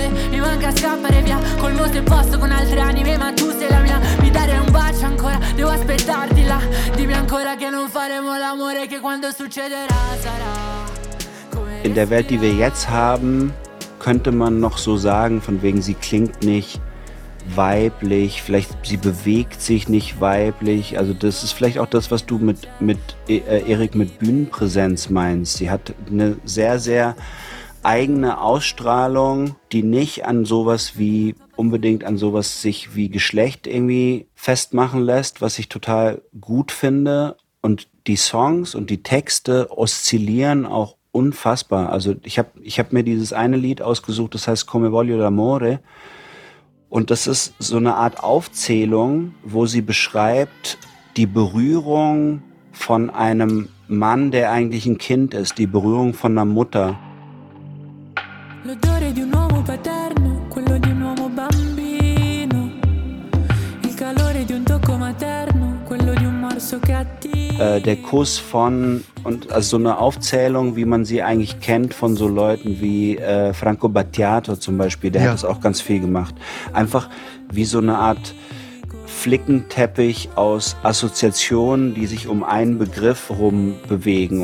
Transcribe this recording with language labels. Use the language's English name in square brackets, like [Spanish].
[Italian] Mi manca scappare via col vostro posto con altre anime, ma tu sei la mia, mi dare un bacio ancora, devo aspettarti là, dimmi ancora che non faremo l'amore, che quando succederà sarà. [German] In der Welt, die wir jetzt haben, könnte man noch so sagen, von wegen sie klingt nicht weiblich, vielleicht sie bewegt sich nicht weiblich. Also das ist vielleicht auch das, was du mit Erik mit Bühnenpräsenz meinst. Sie hat eine sehr, sehr eigene Ausstrahlung, die nicht an sowas wie, unbedingt an sowas sich wie Geschlecht irgendwie festmachen lässt, was ich total gut finde. Und die Songs und die Texte oszillieren auch unfassbar. Also ich hab mir dieses eine Lied ausgesucht, das heißt Come Voglio d'Amore. Und das ist so eine Art Aufzählung, wo sie beschreibt die Berührung von einem Mann, der eigentlich ein Kind ist, die Berührung von einer Mutter. [Italian] L'odore di un uomo paterno, quello di un uomo bambino. Il calore di un tocco materno, quello di un morso cattivo. [German] Der Kuss von, und also so eine Aufzählung, wie man sie eigentlich kennt von so Leuten wie Franco Battiato zum Beispiel, der hat das auch ganz viel gemacht. Einfach wie so eine Art Flickenteppich aus Assoziationen, die sich um einen Begriff rum bewegen.